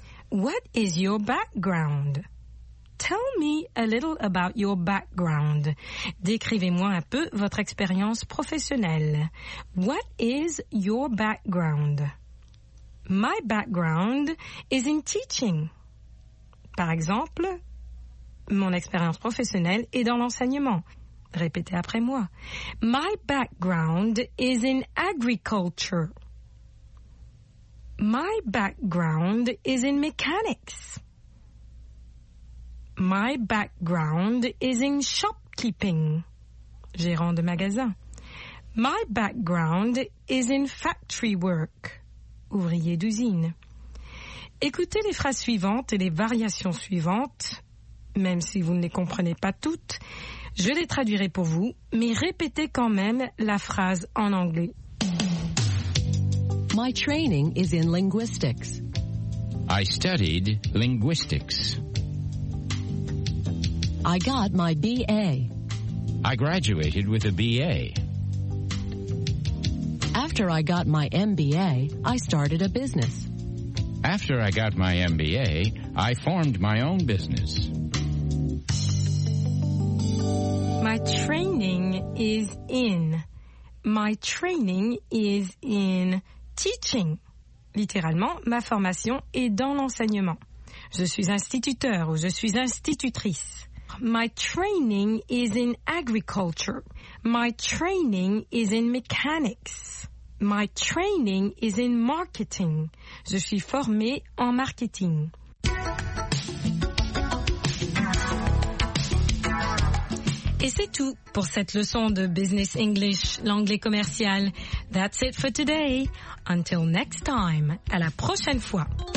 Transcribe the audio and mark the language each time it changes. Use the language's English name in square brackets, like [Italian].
[English] What is your background? Tell me a little about your background. Décrivez-moi un peu votre expérience professionnelle. What is your background? My background is in teaching. [French] Par exemple, mon expérience professionnelle est dans l'enseignement. Répétez après moi. [English] My background is in agriculture. My background is in mechanics. My background is in shopkeeping. [French] Gérant de magasin. [English] My background is in factory work. [French] Ouvrier d'usine. Écoutez les phrases suivantes et les variations suivantes. Même si vous ne les comprenez pas toutes, je les traduirai pour vous, mais répétez quand même la phrase en anglais. [English] My training is in linguistics. I studied linguistics. I got my BA. I graduated with a BA. After I got my MBA, I started a business. After I got my MBA, I formed my own business. My training is in. My training is in teaching. [French] Littéralement, ma formation est dans l'enseignement. Je suis instituteur ou je suis institutrice. [English] My training is in agriculture. My training is in mechanics. My training is in marketing. [French] Je suis formée en marketing. Et c'est tout pour cette leçon de Business English, l'anglais commercial. [English] That's it for today. Until next time, [French] à la prochaine fois.